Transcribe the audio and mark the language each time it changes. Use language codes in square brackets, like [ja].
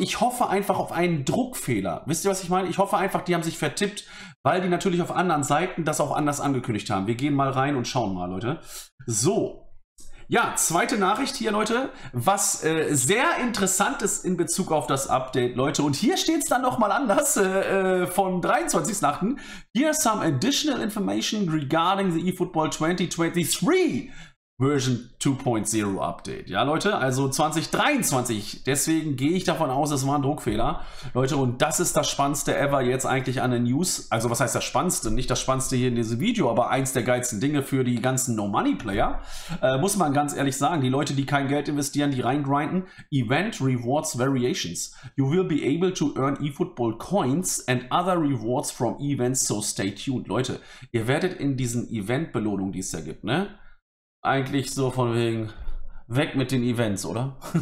[de] Ich hoffe einfach auf einen Druckfehler. Wisst ihr, was ich meine? Ich hoffe einfach, die haben sich vertippt, weil die natürlich auf anderen Seiten das auch anders angekündigt haben. Wir gehen mal rein und schauen mal, Leute. So. Ja, zweite Nachricht hier, Leute. Was sehr interessant ist in Bezug auf das Update, Leute. Und hier steht es dann nochmal anders vom 23.8. [en] Here's some additional information regarding the eFootball 2023 Version 2.0 Update. [de] Ja, Leute, also 2023. Deswegen gehe ich davon aus, es war ein Druckfehler. Leute, und das ist das Spannendste ever jetzt eigentlich an den News. Also, was heißt das Spannendste? Nicht das Spannendste hier in diesem Video, aber eins der geilsten Dinge für die ganzen No-Money-Player. Muss man ganz ehrlich sagen. Die Leute, die kein Geld investieren, die reingrinden. [en] Event Rewards Variations. You will be able to earn eFootball Coins and other rewards from events, so stay tuned. [de] Leute, ihr werdet in diesen Event-Belohnungen, die es da gibt, ne? Eigentlich so von wegen weg mit den Events, oder?